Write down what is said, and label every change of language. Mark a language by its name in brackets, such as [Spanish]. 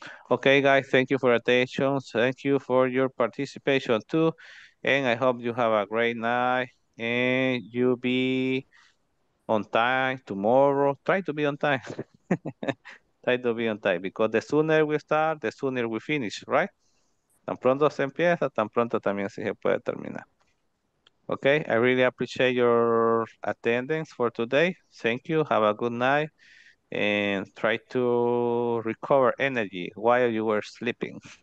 [English] Okay, guys, thank you for attention. Thank you for your participation too. And I hope you have a great night and you be on time tomorrow. Try to be on time. Try to be on time because the sooner we start, the sooner we finish, right? [Spanish] Tan pronto se empieza, tan pronto también se puede terminar. [English] Okay, I really appreciate your attendance for today. Thank you. Have a good night. And try to recover energy while you were sleeping.